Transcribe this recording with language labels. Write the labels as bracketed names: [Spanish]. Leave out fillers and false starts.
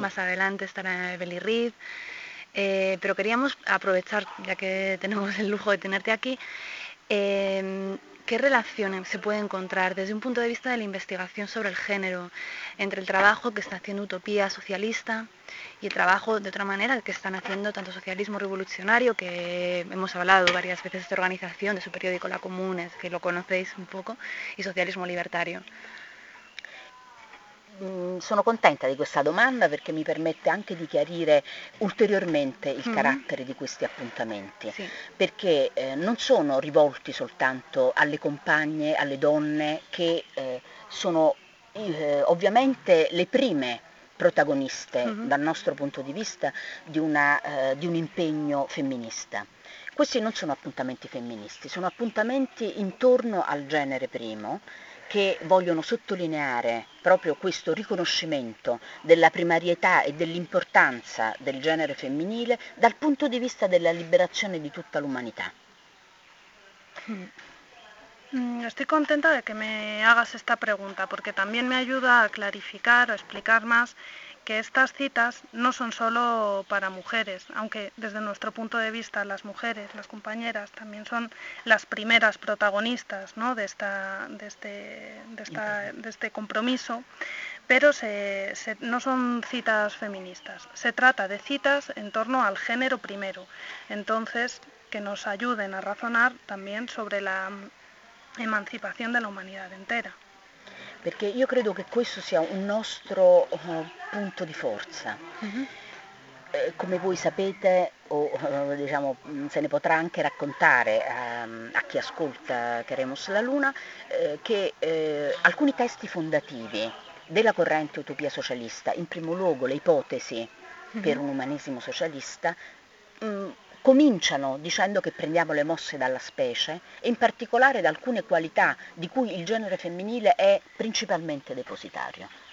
[Spanish] Más adelante estará Beli Reed, pero queríamos aprovechar, ya que tenemos el lujo de tenerte aquí, ¿qué relación se puede encontrar desde un punto de vista de la investigación sobre el género entre el trabajo que está haciendo Utopía Socialista y el trabajo de otra manera que están haciendo tanto Socialismo Revolucionario, que hemos hablado varias veces de esta organización, de su periódico La Comunes, que lo conocéis un poco, y Socialismo Libertario? [Italian] Sono contenta di questa domanda perché mi permette anche di chiarire ulteriormente il carattere di questi appuntamenti, sì. Perché non sono rivolti soltanto alle compagne, alle donne che sono ovviamente le prime protagoniste dal nostro punto di vista di un impegno femminista. Questi non sono appuntamenti femministi, sono appuntamenti intorno al genere primo, che vogliono sottolineare proprio questo riconoscimento della primarietà e dell'importanza del genere femminile dal punto di vista della liberazione di tutta l'umanità. [Spanish] Estoy contenta de que me hagas esta pregunta porque también me ayuda a clarificar o explicar más que estas citas no son solo para mujeres, aunque desde nuestro punto de vista las mujeres, las compañeras, también son las primeras protagonistas, ¿no?, de este compromiso, pero no son citas feministas, se trata de citas en torno al género primero, entonces que nos ayuden a razonar también sobre la emancipación de la humanidad entera. [Italian] Perché io credo che questo sia un nostro punto di forza. Come voi sapete, o diciamo, se ne potrà anche raccontare a chi ascolta Queremos la Luna, che alcuni testi fondativi della corrente Utopia Socialista, in primo luogo le ipotesi per un umanesimo socialista, cominciano dicendo che prendiamo le mosse dalla specie e in particolare da alcune qualità di cui il genere femminile è principalmente depositario.